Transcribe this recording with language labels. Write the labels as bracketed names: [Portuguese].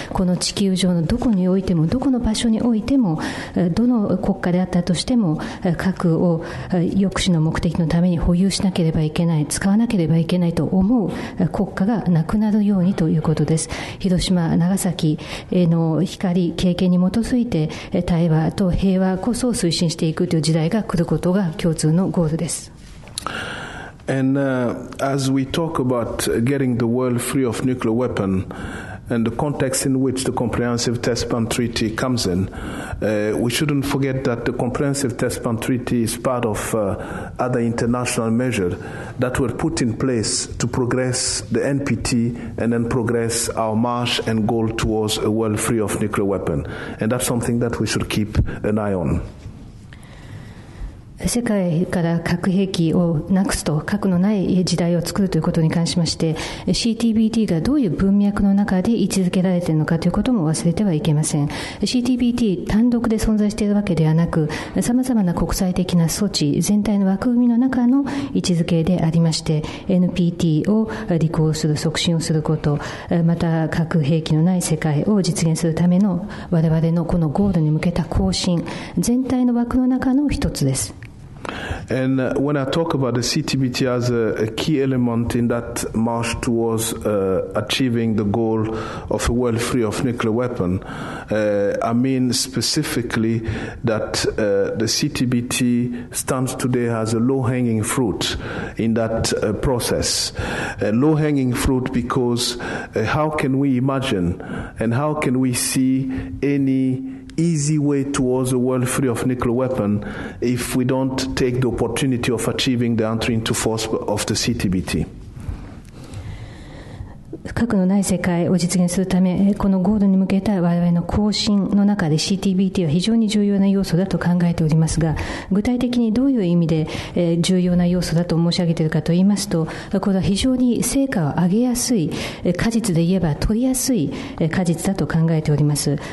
[Japanese] この地球上のどこにおいても、どこの場所においても、どの国家であったとしても、核を抑止の目的のために保有しなければいけない、使わなければいけないと思う国家がなくなるようにということです。広島長崎への光経験に基づいて、対話と平和こそを推進していくという時代が来ることが共通のゴールです。 [English] And, as we talk about getting the world free of nuclear weapon and the context in which the Comprehensive Test Ban Treaty comes in, we shouldn't forget that the Comprehensive Test Ban Treaty is part of other international measures that were put in place to progress the NPT and then progress our march and goal towards a world free of nuclear weapon. And that's something that we should keep an eye on. [Japanese] 世界から核兵器をなくすと、核のない時代を作るということに関しまして、CTBT がどういう文脈の中で位置づけられているのかということも忘れてはいけません。 CTBT 単独で存在しているわけではなく、さまざまな国際的な措置、全体の枠組みの中の位置づけでありまして、NPT を履行する、促進をすること、また核兵器のない世界を実現するための我々のこのゴールに向けた更新、全体の枠の中の一つです。 [English] And when I talk about the CTBT as a key element in that march towards achieving the goal of a world free of nuclear weapon, I mean specifically that the CTBT stands today as a low-hanging fruit in that process. Low-hanging fruit because how can we imagine and how can we see any easy way towards a world free of nuclear weapon if we don't take the opportunity of achieving the entry into force of the CTBT. [Japanese] 核のない世界を実現するため、このゴールに向けた我々の更新の中で CTBT は非常に重要な要素だと考えておりますが、具体的にどういう意味で重要な要素だと申し上げているかといいますと、これは非常に成果を上げやすい、果実で言えば取りやすい果実だと考えております。